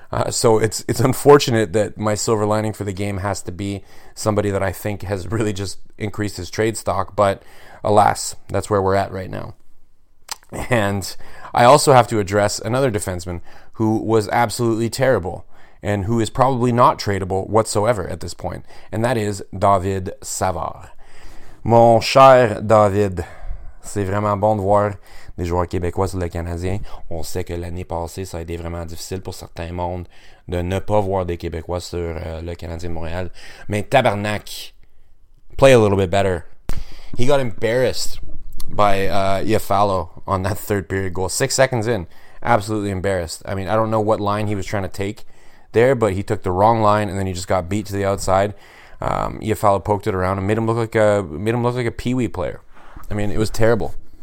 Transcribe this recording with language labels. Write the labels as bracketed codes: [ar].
[fr] So it's unfortunate that my silver lining for the game has to be somebody that I think has really just increased his trade stock. But alas, that's where we're at right now. And I also have to address another defenseman who was absolutely terrible and who is probably not tradable whatsoever at this point, and that is David Savard. Mon cher David, c'est vraiment bon de voir des joueurs québécois sur le Canadien. On sait que l'année passée, ça a été vraiment difficile pour certains mondes de ne pas voir des Québécois sur le Canadien de Montréal. Mais tabarnak, [en] play a little bit better. He got embarrassed by Iafallo on that third period goal. 6 seconds in, absolutely embarrassed. I mean, I don't know what line he was trying to take there, but he took the wrong line, and then he just got beat to the outside. Iafallo poked it around and made him look like a peewee player. I mean, it was terrible.